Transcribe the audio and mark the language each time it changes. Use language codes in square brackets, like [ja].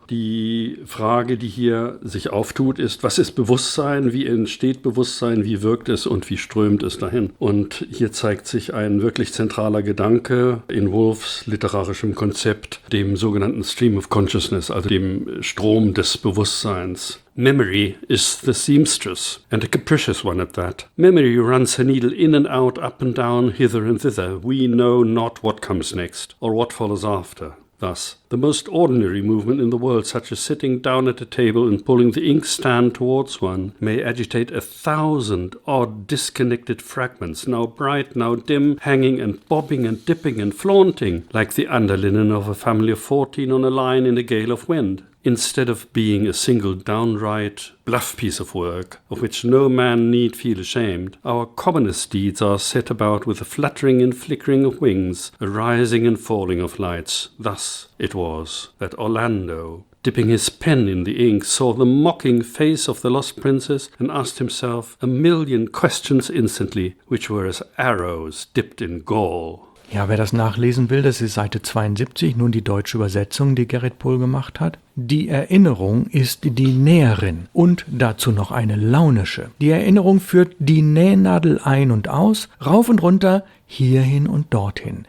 [de] Die Frage, die hier sich auftut, ist: Was ist Bewusstsein? Wie entsteht Bewusstsein? Wie wirkt es und wie strömt es dahin? Und hier zeigt sich ein wirklich zentraler Gedanke in Woolfs literarischem Konzept, dem sogenannten Stream of Consciousness, also dem Strom des Bewusstseins. [en] Memory is the seamstress, and a capricious one at that. Memory runs her needle in and out, up and down, hither and thither. We know not what comes next, or what follows after. Thus, the most ordinary movement in the world, such as sitting down at a table and pulling the inkstand towards one, may agitate 1,000 odd disconnected fragments, now bright, now dim, hanging and bobbing and dipping and flaunting, like the underlinen of a family of 14 on a line in a gale of wind. Instead of being a single downright bluff piece of work, of which no man need feel ashamed, our commonest deeds are set about with a fluttering and flickering of wings, a rising and falling of lights. Thus it was that Orlando, dipping his pen in the ink, saw the mocking face of the lost princess and asked himself a million questions instantly, which were as arrows dipped in gall. [de] Ja, wer das nachlesen will, das ist Seite 72, nun die deutsche Übersetzung, die Gerrit Pohl gemacht hat. Die Erinnerung ist die Näherin und dazu noch eine launische. Die Erinnerung führt die Nähnadel ein und aus, rauf und runter, hierhin und dorthin.